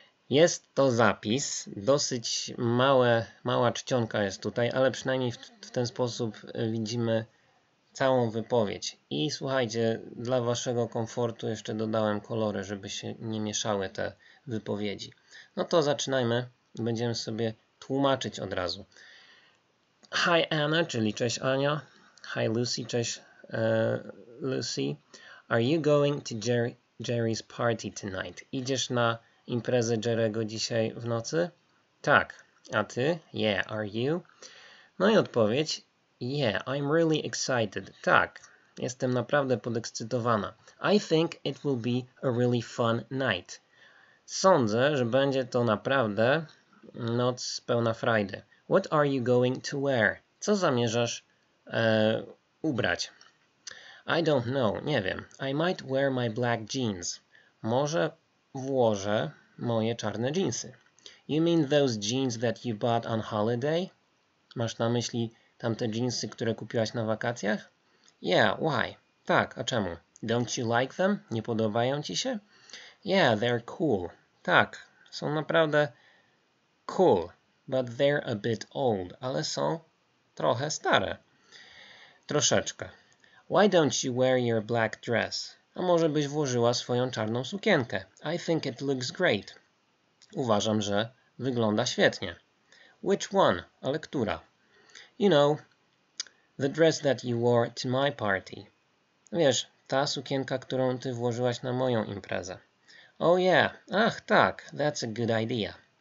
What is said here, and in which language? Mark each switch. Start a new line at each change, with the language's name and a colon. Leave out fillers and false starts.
Polish: Jest to zapis, dosyć mała czcionka jest tutaj, ale przynajmniej w ten sposób widzimy całą wypowiedź. I słuchajcie, dla waszego komfortu jeszcze dodałem kolory, żeby się nie mieszały te wypowiedzi. No to zaczynajmy, będziemy sobie tłumaczyć od razu.
English: Hi Anna,
Polish: czyli cześć Ania. Hi Lucy, cześć Lucy.
English: Are you going to Jerry's party tonight?
Polish: Idziesz na imprezę Jerry'ego dzisiaj w nocy? Tak. A ty?
English: Yeah, are you?
Polish: No i odpowiedź.
English: Yeah, I'm really excited. Tak.
Polish: Jestem naprawdę podekscytowana.
English: I think it will be a really fun night.
Polish: Sądzę, że będzie to naprawdę noc pełna frajdy.
English: What are you going to wear?
Polish: Co zamierzasz ubrać?
English: I don't know.
Polish: Nie wiem.
English: I might wear my black jeans.
Polish: Może włożę moje czarne jeansy.
English: You mean those jeans that you bought on holiday?
Polish: Masz na myśli tamte jeansy, które kupiłaś na wakacjach?
English: Yeah, why?
Polish: Tak, a czemu?
English: Don't you like them?
Polish: Nie podobają ci się?
English: Yeah, they're cool.
Polish: Tak, są naprawdę
English: cool, but they're a bit old.
Polish: Ale są trochę stare. Troszeczkę.
English: Why don't you wear your black dress?
Polish: A może byś włożyła swoją czarną sukienkę?
English: I think it looks great.
Polish: Uważam, że wygląda świetnie.
English: Which one?
Polish: Ale która?
English: You know, the dress that you wore to my party.
Polish: Wiesz, ta sukienka, którą ty włożyłaś na moją imprezę.
English: Oh yeah,
Polish: ach tak,
English: that's a good idea.